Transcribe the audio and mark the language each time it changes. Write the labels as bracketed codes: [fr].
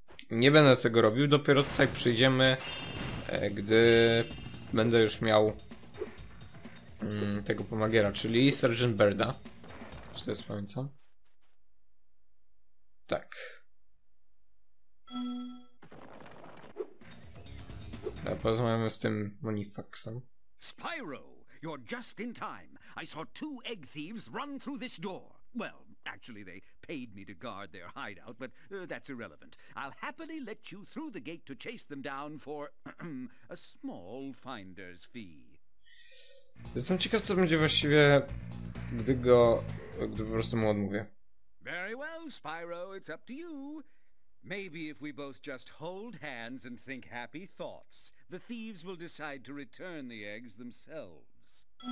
[pl] nie będę tego robił, dopiero tutaj przyjdziemy... gdy będę już miał tego pomagiera, czyli Sergeant Birda. Czy to jest, pamiętam? Tak. A porozmawiamy z tym Monifaxem. [en] Spyro, you're just in time. I saw two egg thieves run through this door. Well, actually they paid me to guard their hideout, but that's irrelevant. I'll happily let you through the gate to chase them down for a small finder's fee. [pl] Jestem ciekaw, co będzie właściwie, gdy po prostu mu odmówię. [en] Very well, Spyro, it's up to you. Maybe if we both just hold hands and think happy thoughts, the thieves will decide to return the eggs themselves.